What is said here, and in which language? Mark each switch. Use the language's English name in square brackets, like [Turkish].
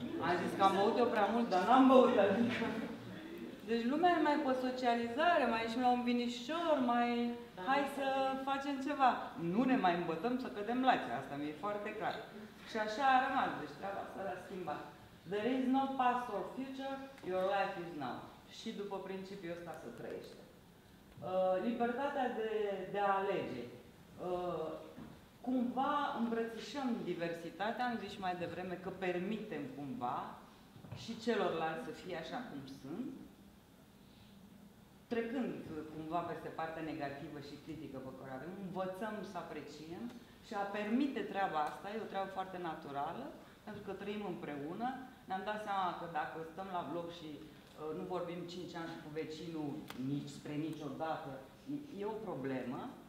[Romanian] Am zis că am băut eu prea mult, dar n-am băut, adică. Deci lumea e mai pe socializare, mai ieșim la un vinișor, mai... Dar Hai să facem ceva. Nu ne mai îmbătăm să cădem lați. Asta mi-e foarte clar. Și așa a rămas. Deci treaba asta l-a schimbat. [English] There is no past or future. Your life is now. [Romanian] Și după principiul ăsta să trăiește. Libertatea de a alege. Cumva îmbrățișăm diversitatea, am zis mai devreme că permitem cumva și celorlalți să fie așa cum sunt, trecând cumva peste partea negativă și critică pe care avem, învățăm să apreciem și a permite treaba asta, e o treabă foarte naturală, pentru că trăim împreună, ne-am dat seama că dacă stăm la bloc și nu vorbim 5 ani cu vecinul nici spre niciodată, e o problemă.